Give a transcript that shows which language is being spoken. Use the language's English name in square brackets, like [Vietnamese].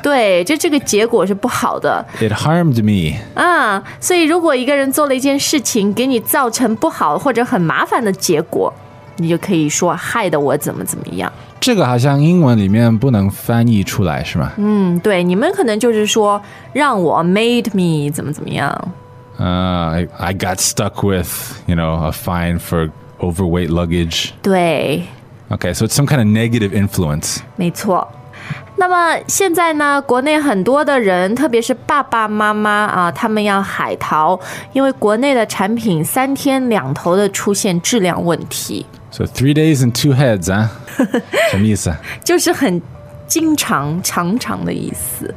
[Chinese] 对，就这个结果是不好的。 [English] It harmed me。 [Chinese] 所以如果一个人做了一件事情给你造成不好或者很麻烦的结果，你就可以说害的我怎么怎么样。这个好像英文里面不能翻译出来，是吗？对，你们可能就是说让我 [English] made me [Chinese] 怎么怎么样。 [English] I got stuck with, you know, a fine forOverweight luggage. [Chinese] 对。 [English] Okay, so it's some kind of negative influence. [Chinese] 没错。那么现在呢，国内很多的人，特别是爸爸妈妈啊，他们要海淘，因为国内的产品三天两头的出现质量问题。 [English] So three days and two heads 啊， [Chinese] 什么意思？就是很经常、常常的意思